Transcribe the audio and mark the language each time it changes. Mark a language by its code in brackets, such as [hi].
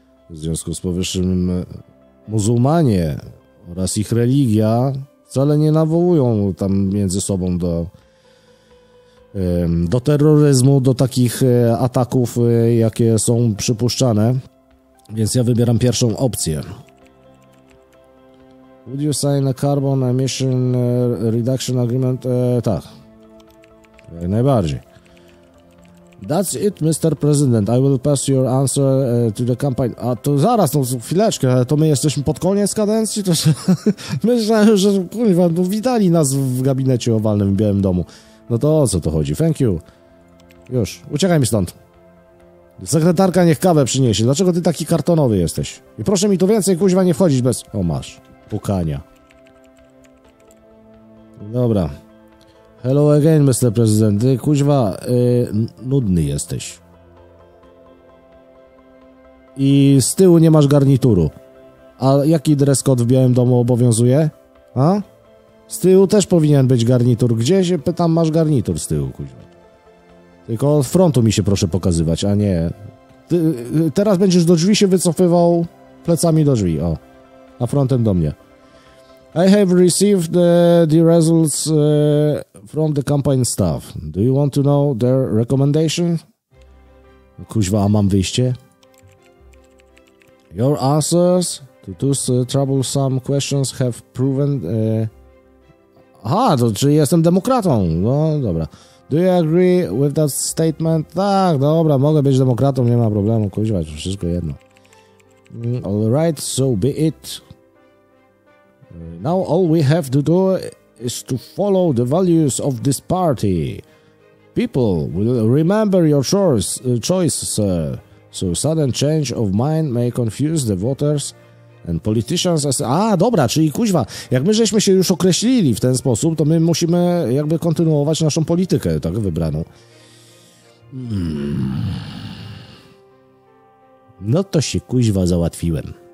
[pl] W związku z powyższym muzułmanie oraz ich religia wcale nie nawołują tam między sobą do terroryzmu, do takich ataków, jakie są przypuszczane, więc ja wybieram pierwszą opcję. [en] Would you sign a carbon emission reduction agreement? [pl] Tak. Jak najbardziej. [en] That's it, Mr. President. I will pass your answer to the campaign. [pl] A to zaraz, no chwileczkę, to my jesteśmy pod koniec kadencji? To myślałem, że kurwa, no witali nas w gabinecie owalnym w Białym Domu. No to o co to chodzi? [en] Thank you. [pl] Już, uciekaj mi stąd. Sekretarka niech kawę przyniesie. Dlaczego ty taki kartonowy jesteś? I proszę mi tu więcej, kuźwa, nie wchodzić bez... O, masz. Pukania. Dobra. [en] Hello again, Mr. President. [pl] Ty, kuźwa, nudny jesteś. I z tyłu nie masz garnituru. A jaki dress code w Białym Domu obowiązuje? A? Z tyłu też powinien być garnitur. Gdzie się pytam, masz garnitur z tyłu, kuźwa? Tylko od frontu mi się proszę pokazywać, a nie... Ty, teraz będziesz do drzwi się wycofywał plecami do drzwi, o. A frontem do mnie. [en] I have received the results from the campaign staff. Do you want to know their recommendation? [pl] Kuźwa, a mam wyjście? [en] Your answers to those troublesome questions have proven... [pl] Aha, to czy jestem demokratą? No, dobra. [en] Do you agree with that statement? [pl] Tak, dobra, mogę być demokratą, nie ma problemu. Kuźwa, wszystko jedno. [en] All right, so be it. Now all we have to do is to follow the values of this party. People will remember your choice, sir. So sudden change of mind may confuse the voters and politicians. [pl] Dobra, czyli kuźwa, jak my żeśmy się już określili w ten sposób, to my musimy jakby kontynuować naszą politykę, tak wybraną. No to się kuźwa załatwiłem.